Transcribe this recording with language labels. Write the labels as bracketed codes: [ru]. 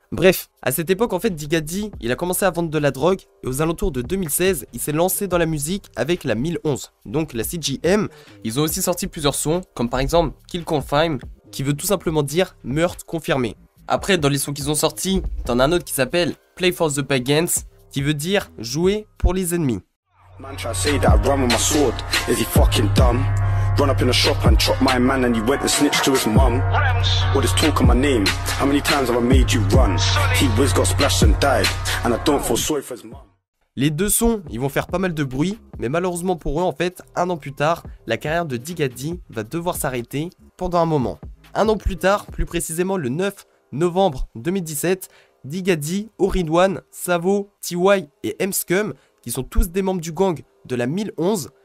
[fr] Bref, à cette époque, en fait, Digadi, il a commencé à vendre de la drogue, et aux alentours de 2016, il s'est lancé dans la musique avec la 1011, donc la CGM. Ils ont aussi sorti plusieurs sons, comme par exemple Kill Confirm, qui veut tout simplement dire meurtre confirmé. Après, dans les sons qu'ils ont sortis, t'en as un autre qui s'appelle Play for the Pagans, qui veut dire jouer pour les ennemis. [en] Man try say that I run with my sword, is he fucking dumb? Run up in a shop and chop my man and he went and snitched to his mum. What is talk on my name? How many times have I made you run? He whiz got splashed and died and I don't feel sorry for his mum. [fr] Les deux sons, ils vont faire pas mal de bruit, mais malheureusement pour eux en fait, un an plus tard, la carrière de Digadi va devoir s'arrêter pendant un moment. Un an plus tard, plus précisément le 9 novembre 2017, Digadi, Orin One, Savo, TY et Mscum, qui sont tous des membres du gang de la 1011.